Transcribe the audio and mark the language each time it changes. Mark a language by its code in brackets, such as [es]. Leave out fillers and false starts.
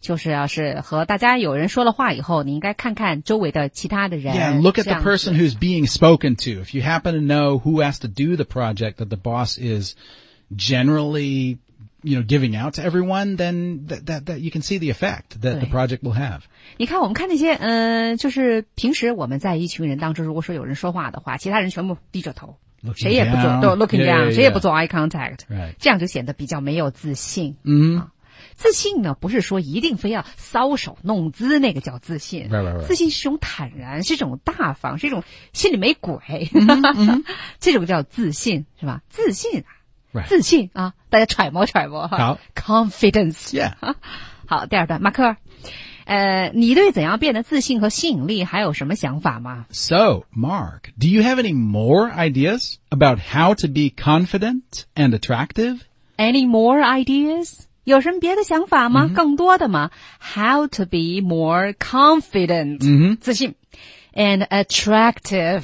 [zh] 就是要是和大家有人说了话以后，你应该看看周围的其他的人。 [en] Yeah, look at the person who's being spoken to. If you happen to know who has to do the project that the boss is generally, you know, giving out to everyone, then that you can see the effect that the project will have. [zh] 你看我们看那些就是平时我们在一群人当中如果说有人说话的话其他人全部低着头。 [en] Looking、 [zh] 谁也不做 [en] down. Looking yeah, down, yeah, yeah. [zh] 谁也不做 eye contact.、 [en] Right. [zh] 这样就显得比较没有自信。 [en] Mm-hmm. [zh] 自信呢不是说一定非要搔首弄姿那个叫自信。 [en] Right, right, right. [zh] 自信是一种坦然是一种大方是一种心里没鬼。 [en] Mm-hmm, mm-hmm. [zh] 这种叫自信是吧自信、啊。 [en] Right. [zh] 自信啊大家揣摩揣摩。好。 [en] Confidence. Yeah. [zh] 好第二段马克。你对怎样变得自信和吸引力还有什么想法吗 [en] ?So, Mark, do you have any more ideas about how to be confident and attractive? Any more ideas? [zh] 有什么别的想法吗、 [en] mm-hmm. [zh] 更多的吗 [en] How to be more confident、 mm-hmm. [zh] 自信 [en] and attractive,、